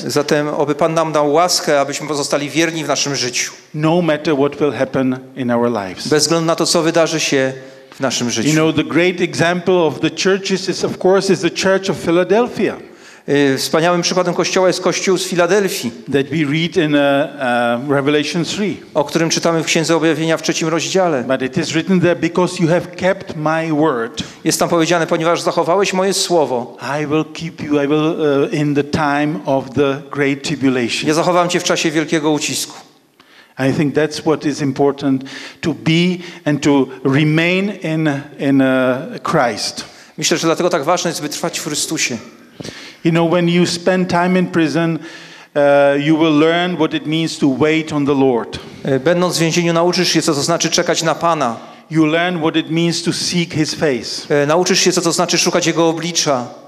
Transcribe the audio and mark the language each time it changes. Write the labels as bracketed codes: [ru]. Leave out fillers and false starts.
[pl] Zatem oby Pan nam dał łaskę, abyśmy pozostali wierni w naszym życiu. [en] No matter what will happen in our lives. [pl] Bez względu na to, co wydarzy się w naszym życiu. [en] You know, the great example of the churches is of course is the Church of Philadelphia. [pl] Wspaniałym przykładem kościoła jest kościół z Filadelfii. [en] That we read in Revelation 3. [pl] O którym czytamy w Księdze Objawienia w trzecim rozdziale. [en] But it is written there because you have kept my word. [pl] Jest tam powiedziane, ponieważ zachowałeś moje słowo. [en] I will keep you, I will in the time of the great tribulation. [pl] Ja zachowam cię w czasie wielkiego ucisku. [en] I think that's what is important to be and to remain in Christ. [pl] Myślę, że dlatego tak ważne jest, by trwać w Chrystusie. [en] You know, when you spend time in prison, you will learn what it means to wait on the Lord. [pl] Będąc w więzieniu, nauczysz się, co to znaczy czekać na Pana. [en] You learn what it means to seek His face. [pl] Nauczysz się, co to znaczy szukać Jego oblicza.